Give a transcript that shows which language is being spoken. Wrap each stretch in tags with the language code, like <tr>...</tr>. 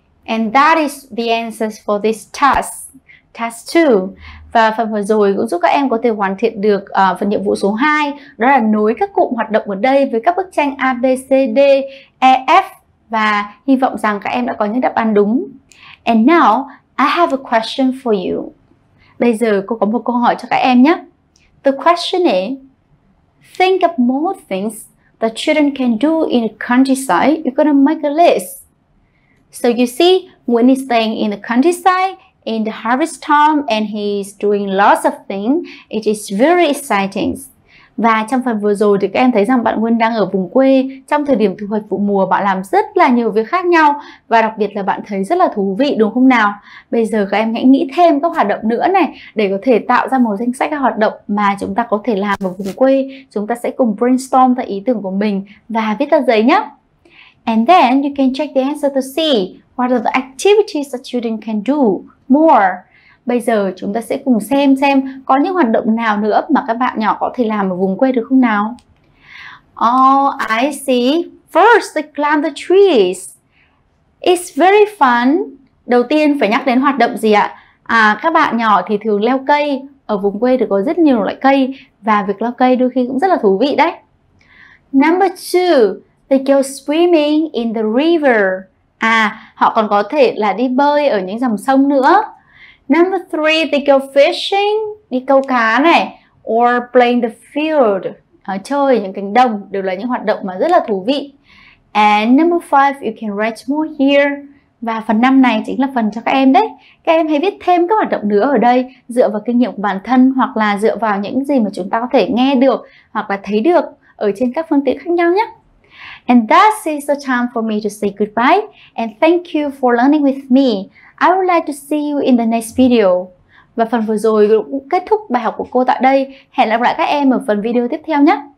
<en>And that is the answers for this task, task 2.</en> <vi>Và phần vừa rồi cũng giúp các em có thể hoàn thiện được phần nhiệm vụ số 2, đó là nối các cụm hoạt động ở đây với các bức tranh A, B, C, D, E, F. Và hy vọng rằng các em đã có những đáp án đúng.</vi> <en>And now, I have a question for you.</en> <vi>Bây giờ cô có một câu hỏi cho các em nhé.</vi> <en>The question is, think of more things that children can do in the countryside, you're gonna make a list. So you see, when he's staying in the countryside, in the harvest time, and he's doing lots of things, it is very exciting.</en> <vi>Và trong phần vừa rồi thì các em thấy rằng bạn Nguyên đang ở vùng quê, trong thời điểm thu hoạch vụ mùa bạn làm rất là nhiều việc khác nhau, và đặc biệt là bạn thấy rất là thú vị đúng không nào? Bây giờ các em hãy nghĩ thêm các hoạt động nữa này, để có thể tạo ra một danh sách các hoạt động mà chúng ta có thể làm ở vùng quê. Chúng ta sẽ cùng brainstorm ra ý tưởng của mình và viết ra giấy nhé.</vi> <en>And then you can check the answer to see what are the activities that children can do more.</en> <vi>Bây giờ chúng ta sẽ cùng xem có những hoạt động nào nữa mà các bạn nhỏ có thể làm ở vùng quê được không nào?</vi> <en>Oh, I see. First, they climb the trees. It's very fun.</en> <vi>Đầu tiên phải nhắc đến hoạt động gì ạ? Các bạn nhỏ thì thường leo cây. Ở vùng quê thì có rất nhiều loại cây và việc leo cây đôi khi cũng rất là thú vị đấy.</vi> <en>Number 2, they go swimming in the river.</en> <vi>Họ còn có thể là đi bơi ở những dòng sông nữa.</vi> <en>Number 3, they go fishing,</en> <vi>đi câu cá này,</vi> <en>or playing the field,</en> <vi>chơi những cánh đồng, đều là những hoạt động mà rất là thú vị.</vi> <en>And number 5, you can write more here.</en> <vi>Và phần 5 này chính là phần cho các em đấy. Các em hãy viết thêm các hoạt động nữa ở đây, dựa vào kinh nghiệm của bản thân, hoặc là dựa vào những gì mà chúng ta có thể nghe được, hoặc là thấy được ở trên các phương tiện khác nhau nhé.</vi> <en>And that is the time for me to say goodbye, and thank you for learning with me. I would like to see you in the next video.</en> <vi>Và phần vừa rồi cũng kết thúc bài học của cô tại đây. Hẹn gặp lại các em ở phần video tiếp theo nhé.</vi>